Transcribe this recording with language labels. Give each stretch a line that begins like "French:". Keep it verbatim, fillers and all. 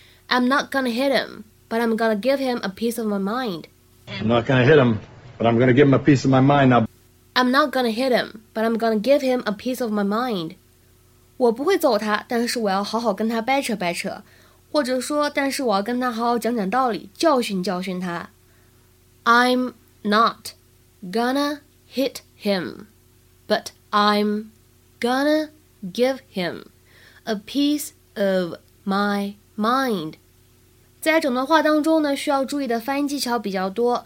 English: I'm not gonna hit him, but I'm gonna give him a piece of my mind. I'm not gonna hit him, but I'm gonna give him a piece of my mind. Now. I'm not gonna hit him, but I'm gonna give him a piece of my mind.
Chinese: 我不会揍他，但是我要好好跟他掰扯掰扯，或者说，但是我要跟他好好讲讲道理，教训教训他。
English: I'm not gonna hit him, but I'm gonna give him a piece of my mind。
Chinese: 在整段话当中呢，需要注意的发音技巧比较多。